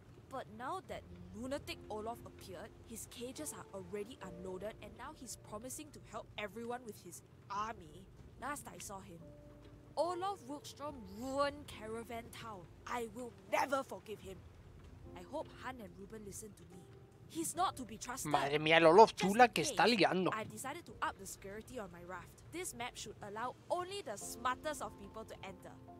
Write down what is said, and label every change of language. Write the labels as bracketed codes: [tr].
[en] But now that lunatic Olaf appeared, his cages are already unloaded and now he's promising to help everyone with his army. Last I saw him, Olaf Wilkstrom ruined Caravan Town. I will never forgive him. I hope Han and Ruben listen to me. He's not to be trusted. [es] Madre mía, el Olaf Tula que está liando. [en] I decided to up the security on my raft. This map should allow only the smartest of people to enter.